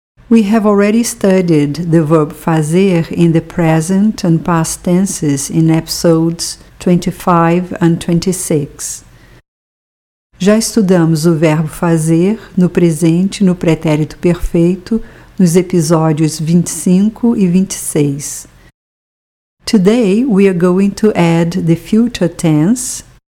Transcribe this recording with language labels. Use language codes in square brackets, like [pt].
[en] We have already studied the verb fazer in the present and past tenses in episodes 25 and 26. [pt] Já estudamos o verbo fazer no presente, no pretérito perfeito, nos episódios 25 e 26. [en] Today we are going to add the future tense.